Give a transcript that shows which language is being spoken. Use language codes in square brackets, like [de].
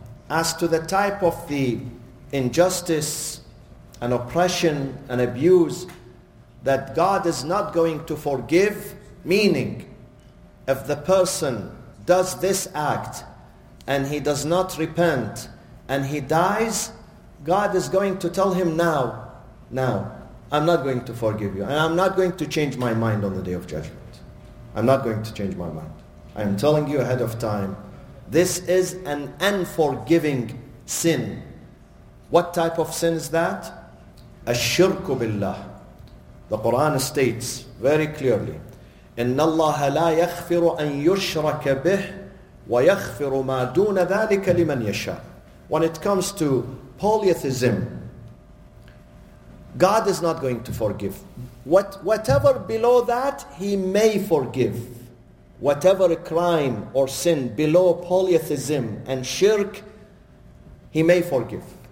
[en] As to the type of the injustice and oppression and abuse that God is not going to forgive, meaning if the person does this act and he does not repent and he dies, God is going to tell him, now, I'm not going to forgive you. And I'm not going to change my mind on the Day of Judgment. I'm not going to change my mind. I am telling you ahead of time, this is an unforgiving sin. What type of sin is that? [ar] الشرك بالله. [en] The Quran states very clearly, [ar] إِنَّ اللَّهَ لَا يَغْفِرُ أَن يُشْرَكَ بِهِ وَيَغْفِرُ مَا دُونَ ذَلِكَ لِمَنْ يَشَاءُ. [en] When it comes to polytheism, God is not going to forgive. Whatever below that, He may forgive. Whatever crime or sin below polytheism and shirk, He may forgive.